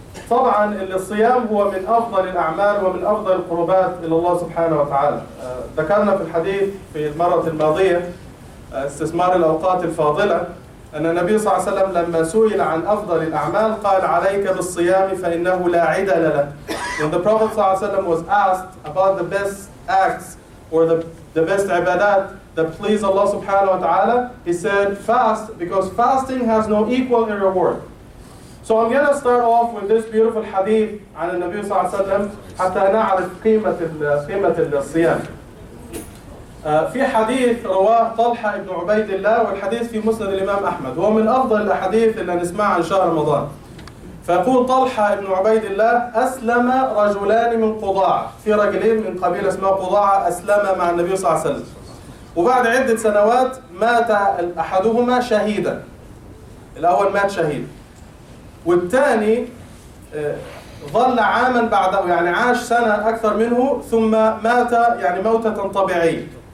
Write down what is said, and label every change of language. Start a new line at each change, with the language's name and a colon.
Arabic: طبعاً اللي الصيام هو من أفضل الأعمال ومن أفضل القربات إلى الله سبحانه وتعالى. ذكرنا في الحديث في المرة الماضية استثمار الأوقات الفاضلة، أن النبي صلى الله عليه وسلم لما سئل عن أفضل الأعمال قال عليك بالصيام فإنه لا عدل له.
English: When the Prophet صلى الله عليه وسلم was asked about the best acts or the best عبادات that please Allah سبحانه وتعالى، he said fast, because fasting has no equal in reward. So I'm going to start off with this beautiful hadith
Arabic: عن النبي صلى الله عليه وسلم حتى نعرف قيمة الصيام. في حديث رواه طلحة ابن عبيد الله، والحديث في مسند الإمام أحمد، هو من أفضل الحديث اللي نسمعه عن شهر رمضان. فيقول طلحة ابن عبيد الله: أسلم رجلان من قضاعة، في رجلين من قبيلة اسمها قضاعة أسلم مع النبي صلى الله عليه وسلم، وبعد عدة سنوات مات أحدهما شهيدا، الأول مات شهيد، والثاني ظل عاما بعده، يعني عاش سنة أكثر منه، ثم مات يعني موتة طبيعية.